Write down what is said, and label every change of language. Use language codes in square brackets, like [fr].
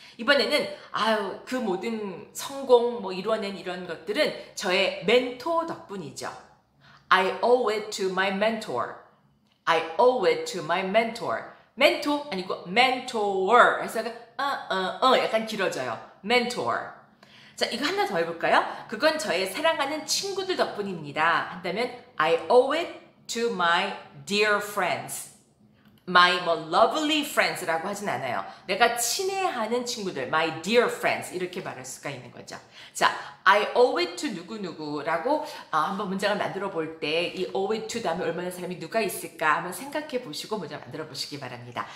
[ko] 이번에는 그 모든 성공 뭐 이뤄낸 이런 것들은 저의 멘토 덕분이죠. [en] I owe it to my mentor. I owe it to my mentor. [ko] 멘토 아니고 mentor. 그래서 약간 길어져요. mentor. 자, 이거 하나 더 해볼까요? 그건 저의 사랑하는 친구들 덕분입니다. 한다면 [en] I owe it to my dear friends. [ko] my 뭐 lovely friends라고 하진 않아요. 내가 친애하는 친구들, [en] my dear friends [ko] 이렇게 말할 수가 있는 거죠. 자, I owe it to 누구누구라고 한번 문장을 만들어 볼 때 이 owe it to 다음에 얼마나 사람이 누가 있을까 한번 생각해 보시고 문장 만들어 보시기 바랍니다.